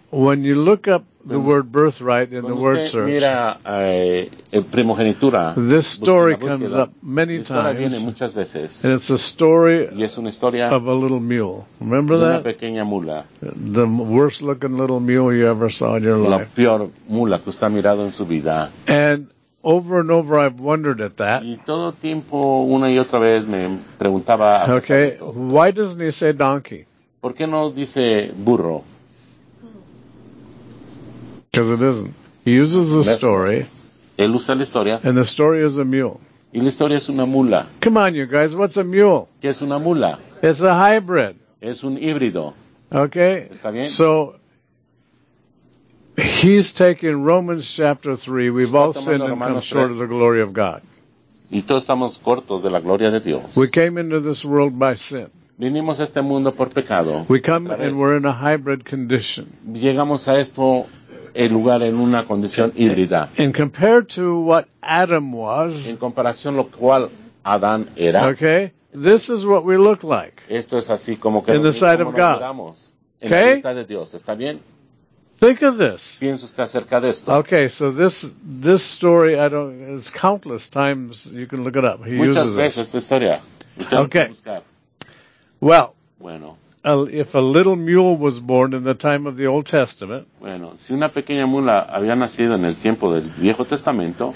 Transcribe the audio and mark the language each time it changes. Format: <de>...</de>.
<en>when you look up the word birthright in the word search,</en> <es>mira, primogenitura,</es> <en>this story comes up many times,</en> <es>viene muchas veces,</es> <en>and it's a story</en> <es>y es una historia</es> <en>of a little mule. Remember</en> <es>de una</es> <en>that?</en> <es>Pequeña mula.</es> <en>The worst looking little mule you ever saw in your</en> <es>la</es> <en>life.</en> <es>La peor mula que usted ha mirado en su vida.</es> <en>And over and over I've wondered at that.</en> <es>Y todo tiempo, una y otra vez, me preguntaba acerca</es> <en>okay,</en> <es>de esto.</es> <en>Why doesn't he say donkey?</en> <es>¿Por qué no dice burro?</es> <en>Because it isn't. He uses the story.</en> <es>Él usa la historia.</es> <en>And the story is a mule.</en> <es>Y la historia es una mula.</es> <en>Come on, you guys. What's a mule?</en> <es>¿Qué es una mula?</es> <en>It's a hybrid.</en> <es>Es un híbrido.</es> <en>Okay.</en> <es>¿Está bien?</es> <en>So, he's taking Romans chapter 3. We've</en> <es>está</es> <en>all sinned and come short 3. Of the glory of God.</en> <es>Y todos estamos cortos de la gloria de Dios.</es> <en>We came into this world by sin.</en> <es>Vinimos a este mundo por pecado.</es> <en>We come and we're in a hybrid condition.</en> <es>Llegamos a esto el lugar en una condición híbrida.</es> <en>In compared to what Adam was,</en> <es>en comparación lo cual Adán era.</es> <en>Okay, this is what we look like.</en> <es>Esto es así como que</es> <en>in the sight of God.</en> <es>Okay? En la vista de Dios, ¿está bien?</es> <en>Think of this.</en> <es>Piensa usted acerca de esto.</es> <en>Okay, so this story, I don't, it's countless times you can look it up. He</en> <es>muchas veces</es> <en>this.</en> <es>Esta historia. Usted</es> <en>okay.</en> <es>Buscar.</es> <en>Well.</en> <es>Bueno.</es> <en>If a little mule was born in the time of the Old Testament,</en> <es>bueno, si una pequeña mula había nacido en el tiempo del Viejo Testamento,</es>